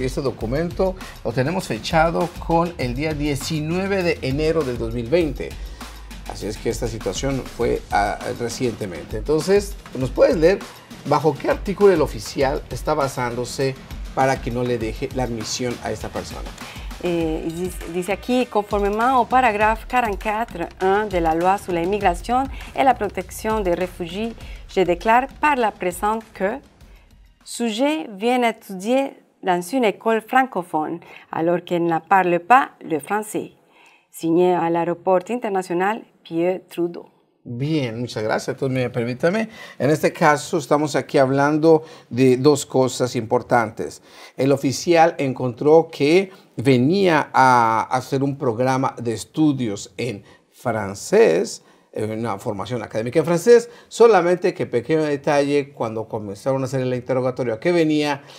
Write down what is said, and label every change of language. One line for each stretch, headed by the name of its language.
Spanish: Y este documento lo tenemos fechado con el día 19 de enero del 2020. Así es que esta situación fue recientemente. Entonces, ¿nos puedes leer bajo qué artículo el oficial está basándose para que no le deje la admisión a esta persona? Dice aquí, conforme
French: Mao Paragraph 44 de la Loi sur la Immigration et la Protection des Réfugiés, je déclare par la présente que sujet vient étudier dans une école francophone alors qu'il ne parle pas le français. Signé à l'aéroport international Pierre Trudeau.
Spanish: Bien, muchas gracias. Entonces, mira, permítame. En este caso, estamos aquí hablando de dos cosas importantes. El oficial encontró que venía a hacer un programa de estudios en francés, una formación académica en francés, solamente que, pequeño detalle, cuando comenzaron a hacer el interrogatorio a qué venía,